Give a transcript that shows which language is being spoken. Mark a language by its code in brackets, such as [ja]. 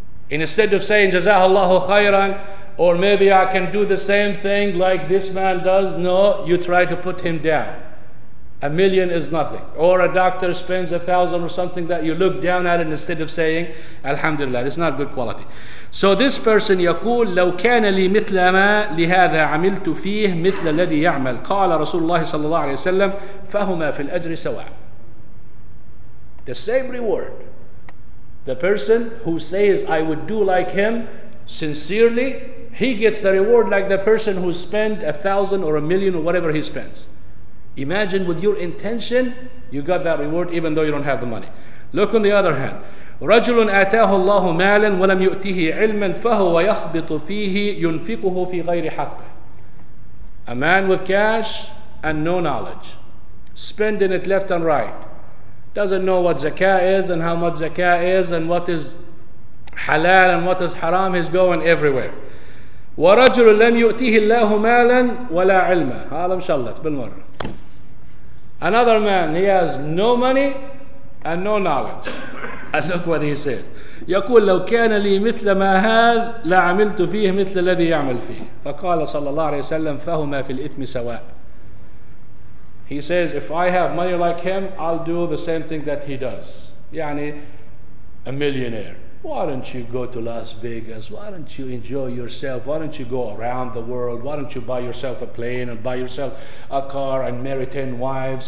[en] Instead of saying, Jazahallahu khairan, or maybe I can do the same thing like this man does, no, you try to put him down. $1 million is nothing. Or a doctor spends $1,000 or something that you look down at it instead of saying, Alhamdulillah, it's not good quality. So this person, [ar] يقول, لو كان لي مثل ما لهذا عملت فيه مثل الذي يعمل. قال رسول الله صلى الله عليه وسلم, فهما في الأجر سواء. [en] The same reward. The person who says, I would do like him, sincerely, he gets the reward like the person who spent $1,000 or $1 million or whatever he spends. Imagine with your intention, you got that reward even though you don't have the money. Look on the other hand. [ar] رَجُلٌ آتَاهُ اللَّهُ مَالًا وَلَمْ يُؤْتِهِ عِلْمًا فَهُوَ يَخْبِطُ فِيهِ يُنْفِقُهُ فِي غَيْرِ حَقِّهِ. [en] A man with cash and no knowledge, spending it left and right. Doesn't know what zakah is and how much zakah is and what is halal and what is haram. He's going everywhere. [ar] وَرَجُلٌ لَمْ يُؤْتِهِ اللَّهُ مَالًا وَلَا عِلْمًا. هَذَا مَشَلَّتْ بِالْمَرَّةِ. [en] Another man, he has no money and no knowledge. And look what he said. [ar] يقول لو كان لي مثل ما هذا لعملت فيه مثل الذي يعمل فيه. فقال صلى الله عليه وسلم فهما في الإثم سواء. [en] He says, if I have money like him, I'll do the same thing that he does. يعني a millionaire, why don't you go to Las Vegas? Why don't you enjoy yourself? Why don't you go around the world? Why don't you buy yourself a plane and buy yourself a car and marry 10 wives?